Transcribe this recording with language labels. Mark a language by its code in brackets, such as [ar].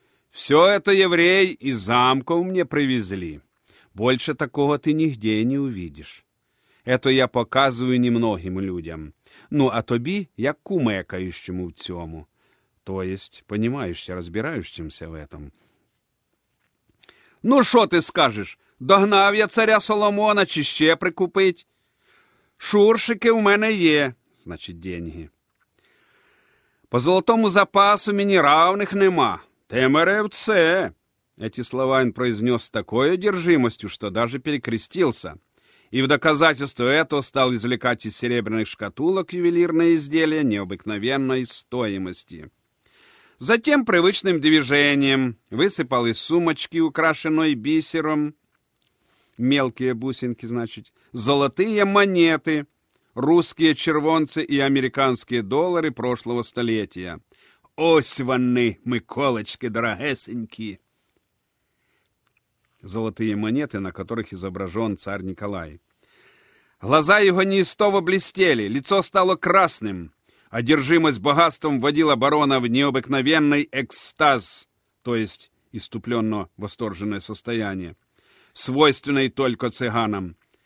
[ru] «Все это евреи из замков мне привезли. Больше такого ты нигде не увидишь. Это я показываю немногим людям. Ну, а [uk] тобі, як [ru] кумекающему [uk] в цьому, [ru] то есть понимающе разбирающимся в этом». «Ну, шо ты скажешь? [uk] Догнав я царя Соломона, чи ще прикупить? Шуршики у мене є, [ru] значит, деньги. [uk] По золотому запасу мені равних нема. Темерев це!» [ru] Эти слова он произнес с такой одержимостью, что даже перекрестился. И в доказательство этого стал извлекать из серебряных шкатулок ювелирные изделия необыкновенной стоимости. Затем привычным движением высыпал из сумочки, украшенной бисером, мелкие бусинки, значит, золотые монеты, русские червонцы и американские доллары прошлого столетия. [uk] «Ось вони, миколочки дорогесенькі!» [ru] Золотые монеты, на которых изображен царь Николай. Глаза его неистово блестели, лицо стало красным. Одержимость богатством вводила барона в необыкновенный экстаз, то есть исступленно восторженное состояние, свойственное только цыганам.